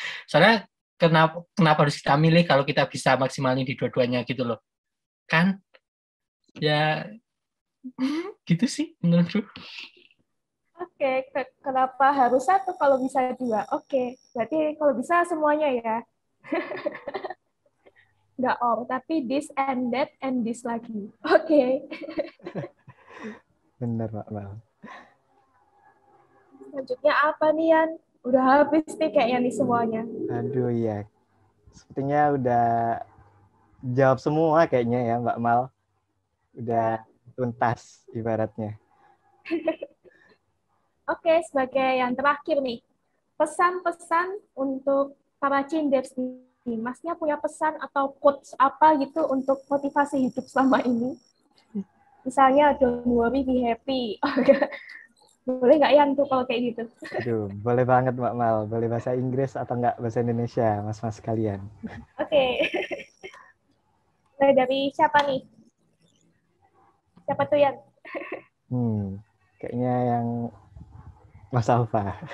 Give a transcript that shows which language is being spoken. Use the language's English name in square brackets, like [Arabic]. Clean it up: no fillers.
[Indonesian] Soalnya, Kenapa harus kita milih kalau kita bisa maksimalin di dua-duanya gitu loh. Kan? Ya, gitu sih menurutku. Oke, kenapa harus satu kalau bisa dua? Oke, berarti kalau bisa semuanya ya. Nggak [English] all, [Indonesian] tapi [English] this and that and this [Indonesian] lagi. Oke. Bener, Mak Mal. Selanjutnya apa nih, Yan? Udah habis nih kayaknya nih semuanya. Aduh ya. Sepertinya udah jawab semua kayaknya ya Mbak Mal. Udah tuntas ibaratnya. Oke, sebagai yang terakhir nih, pesan-pesan untuk para cinders nih. Masnya punya pesan atau quotes apa gitu untuk motivasi hidup selama ini? Misalnya, [English] don't worry, be happy. [Indonesian] Boleh nggak ya untuk kalau kayak gitu? Aduh, boleh banget Mbak Mal. Boleh bahasa Inggris atau nggak bahasa Indonesia, mas-mas sekalian. Oke. Okay. Dari siapa nih? Siapa tuh yang? Kayaknya yang Mas Alfa.